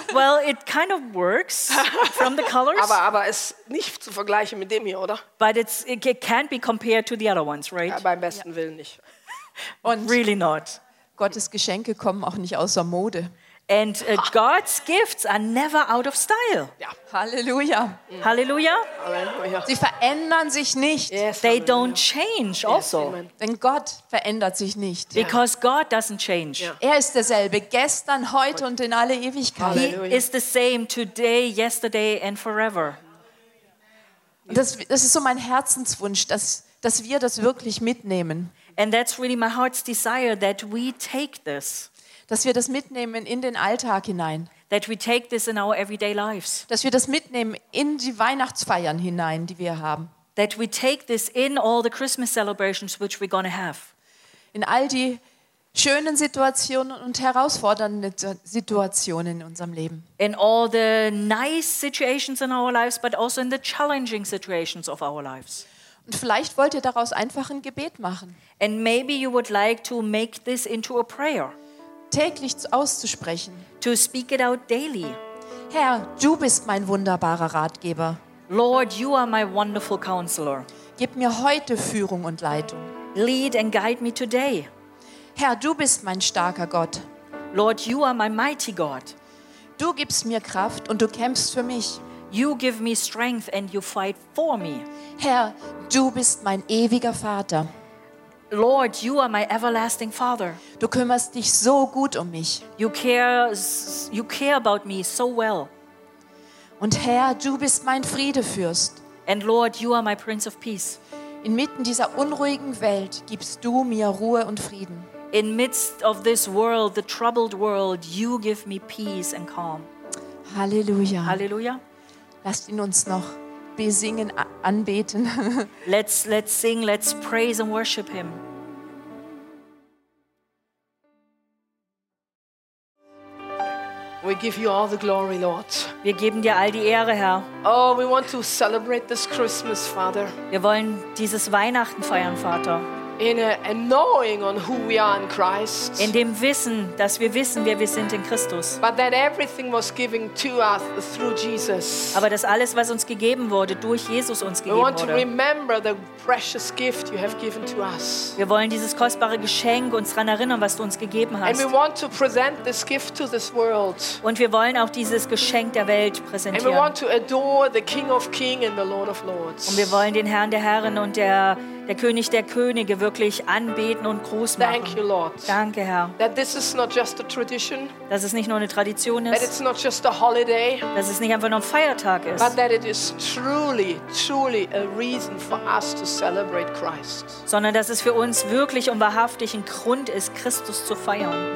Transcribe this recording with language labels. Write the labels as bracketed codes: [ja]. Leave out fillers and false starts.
[en] Well, it kind of works from the colors. [de] Aber es nicht zu vergleichen mit dem hier, oder? [en] But it can't be compared to the other ones, right? [de] Ja, beim besten ja. Willen nicht. Und [en] really not. [de] Gottes Geschenke kommen auch nicht außer Mode. [en] And God's gifts are never out of style. [de] Ja. Halleluja. Halleluja. Halleluja. Sie verändern sich nicht. [en] Yes, they Halleluja. Don't change also. Yes, [de] denn Gott verändert sich nicht. [en] Because God doesn't change. [de] Ja. Er ist derselbe gestern, heute und in alle Ewigkeit. Halleluja. [en] He is the same today, yesterday and forever. [de] Das ist so mein Herzenswunsch, dass wir das wirklich mitnehmen. [en] And that's really my heart's desire that we take this. [de] Dass wir das mitnehmen in den Alltag hinein. [en] That we take this in our everyday lives. [de] Dass wir das mitnehmen in die Weihnachtsfeiern hinein, die wir haben. [en] That we take this in all the Christmas celebrations which we're gonna have. [de] In all die schönen Situationen und herausfordernden Situationen in unserem Leben. [en] In all the nice situations in our lives, but also in the challenging situations of our lives. [de] Und vielleicht wollt ihr daraus einfach ein Gebet machen. [en] And maybe you would like to make this into a prayer. [de] Täglich auszusprechen. [en] To speak it out daily. [de] Herr, du bist mein wunderbarer Ratgeber. [en] Lord, you are my wonderful counselor. [de] Gib mir heute Führung und Leitung. [en] Lead and guide me today. [de] Herr, du bist mein starker Gott. [en] Lord, you are my mighty God. [de] Du gibst mir Kraft und du kämpfst für mich. [en] You give me strength and you fight for me. [de] Herr, du bist mein ewiger Vater. [en] Lord, you are my everlasting Father. [de] Du kümmerst dich so gut um mich. [en] You care about me so well. [de] Und Herr, du bist mein Friedefürst. [en] And Lord, you are my Prince of Peace. [de] Inmitten dieser unruhigen Welt gibst du mir Ruhe und Frieden. [en] In midst of this world, the troubled world, you give me peace and calm. [de] Halleluja. Halleluja. Lasst ihn uns noch besingen, anbeten. [en] Let's sing, let's praise and worship him. We give you all the glory, Lord. [de] Wir geben dir all die Ehre, Herr. [en] Oh, we want to celebrate this Christmas, Father. [de] Wir wollen dieses Weihnachten feiern, Vater. [en] In a knowing on who we are in Christ. [de] In dem Wissen, dass wir wissen, wer wir sind in Christus. [en] But that everything was given to us through Jesus. [de] Aber dass alles, was uns gegeben wurde, durch Jesus uns gegeben wurde. [en] We want to remember the precious gift you have given to us. [de] Wir wollen dieses kostbare Geschenk uns daran erinnern, was du uns gegeben hast. [en] And we want to present this gift to this world. [de] Und wir wollen auch dieses Geschenk der Welt präsentieren. [en] And we want to adore the King of Kings and the Lord of Lords. [de] Und wir wollen den Herrn der Herren und der König der Könige wirklich anbeten und groß machen. [en] Thank you, Lord. [de] Danke, Herr. [en] That this is not just a tradition. [de] Dass es nicht nur eine Tradition ist. [en] That it's not just a holiday. [de] Dass es nicht einfach nur ein Feiertag ist. [en] But that it is truly, truly a reason for us to celebrate Christ. [de] Sondern dass es für uns wirklich und wahrhaftig ein Grund ist, Christus zu feiern.